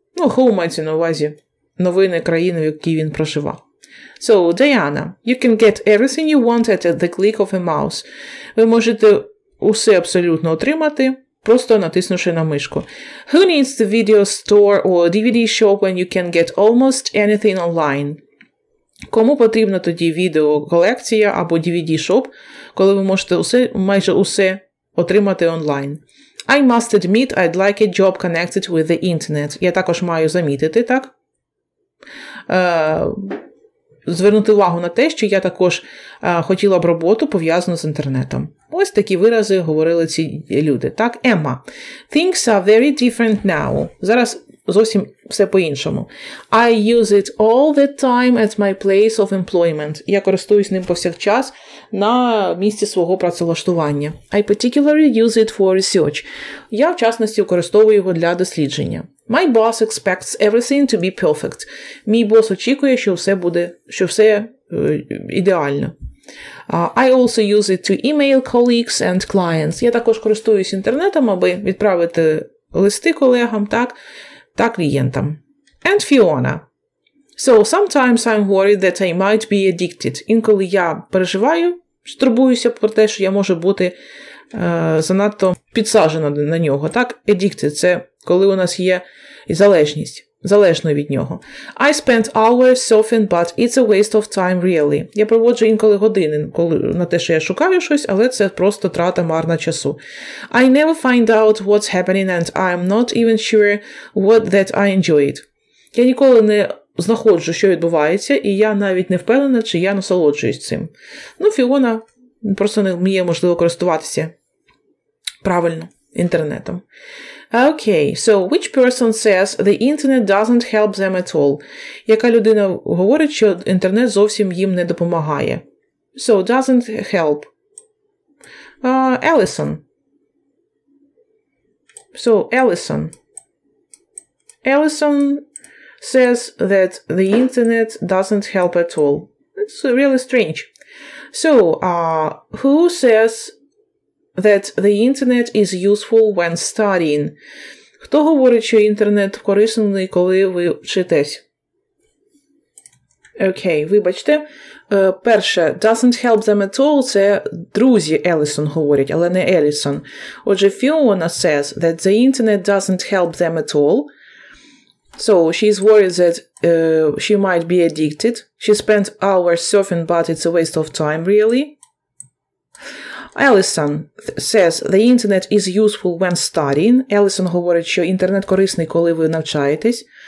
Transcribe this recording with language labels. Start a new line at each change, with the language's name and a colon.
Ukrainian: Ну, home мається на увазі. Новини країни, в якій він проживав.
English: So, Diana, you can get everything you want at the click of a mouse.
Ukrainian: Ви можете усе абсолютно отримати, просто натиснувши на мишку.
English: Who needs the video store or DVD shop when you can get almost anything online?
Ukrainian: Кому потрібна тоді відеоколекція або DVD shop, коли ви можете усе, майже усе отримати онлайн?
English: I must admit, I'd like a job connected with the internet.
Ukrainian: Я також маю замітити, так? Звернути увагу на те, що я також хотіла б роботу, пов'язану з інтернетом. Ось такі вирази говорили ці люди. Так, Емма.
English: Things are very different now.
Ukrainian: Зараз зовсім все по-іншому.
English: I use it all the time at my place of employment.
Ukrainian: Я користуюсь ним повсякчас на місці свого працевлаштування.
English: I particularly use it for research.
Ukrainian: Я, в частності, використовую його для дослідження.
English: My boss expects everything to be perfect.
Ukrainian: Мій бос очікує, що все буде, що все ідеально.
English: I also use it to email colleagues and clients.
Ukrainian: Я також користуюсь інтернетом, аби відправити листи колегам, так, та клієнтам.
English: And Fiona. So, sometimes I'm worried that I might be addicted.
Ukrainian: Інколи я переживаю, стурбуюся про те, що я можу бути занадто підсаджена на нього. Так, addicted – це коли у нас є залежність, залежно від нього.
English: I spend hours surfing, but it's a waste of time, really.
Ukrainian: Я проводжу інколи години на те, що я шукаю щось, але це просто трата марна часу.
English: I never find out what's happening, and I'm not even sure what that I enjoyed.
Ukrainian: Я ніколи не знаходжу, що відбувається, і я навіть не впевнена, чи я насолоджуюсь цим. Ну, Фіона просто не вміє, можливо, користуватися правильно інтернетом.
English: Okay, so which person says the internet doesn't help them at all?
Ukrainian: Яка людина говорить, що інтернет зовсім їм не допомагає?
English: So, doesn't help. Allison. So, Allison. Allison says that the internet doesn't help at all. It's really strange. So, who says that the internet is useful when studying.
Ukrainian: Хто говорить, що інтернет корисний, коли ви вчитесь? Окей, вибачте. Перше,
English: doesn't help them at all,
Ukrainian: це друзі Елісон говорять, але не Елісон. Отже,
English: Фіона says that the internet doesn't help them at all. So, she's worried that she might be addicted. She spent hours surfing, but it's a waste of time, really. Allison says the internet is useful when studying.
Ukrainian: Allison говорить, що інтернет корисний, коли ви навчаєтесь.